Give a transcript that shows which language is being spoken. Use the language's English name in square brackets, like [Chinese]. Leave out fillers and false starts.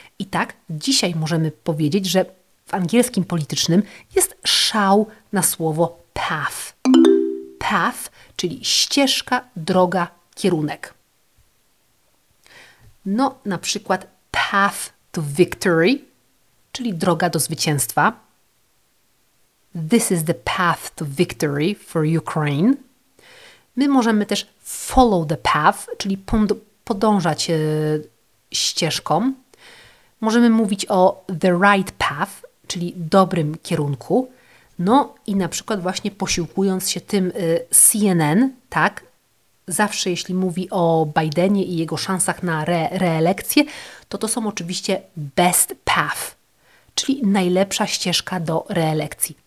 [Polish] I tak dzisiaj możemy powiedzieć, że w angielskim politycznym jest szał na słowo path. Path, czyli ścieżka, droga, kierunek. No, na przykład [English] path to victory, [Polish] czyli droga do zwycięstwa. [English] This is the path to victory for Ukraine. [Polish] My możemy też [English] follow the path, [Polish] czyli podążać ścieżką. Możemy mówić o [English] the right path, [Polish] czyli dobrym kierunku. No i na przykład właśnie posiłkując się tym CNN, tak, zawsze jeśli mówi o Bidenie i jego szansach na reelekcję, to są oczywiście [English] best path, [Polish] czyli najlepsza ścieżka do reelekcji.